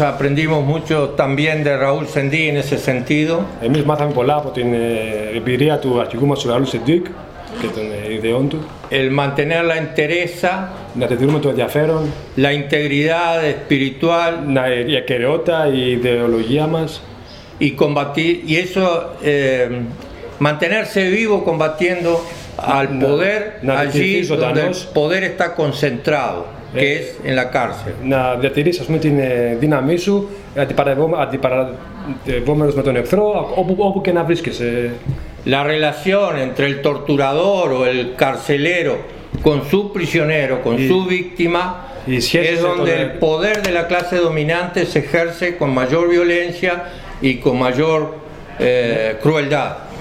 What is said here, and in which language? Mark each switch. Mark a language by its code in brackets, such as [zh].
[es] aprendimos mucho también de Raúl Sendí en ese sentido. [el] Εμείς μάθαμε πολλά από την εμπειρία του αρχηγού μας, Raúl Sendí, και των ιδεών του. [es] El mantener la entereza, [el] να τηρούμε το ενδιαφέρον, [es] la integridad espiritual, [el] να η ακεραιότητα, η ιδεολογία μας, [es] y combatir, y eso mantenerse vivo combatiendo al poder, [el] να [es] allí donde el poder está concentrado, que es en la cárcel. [el] Να διατηρείς, ας πούμε, την δύναμή σου αντιπαραδευόμενος με τον εχθρό, όπου και να βρίσκεσαι. [es] La relación entre el torturador o el carcelero con su prisionero, con su víctima, es donde el poder de la clase dominante se ejerce con mayor violencia y con mayor crueldad.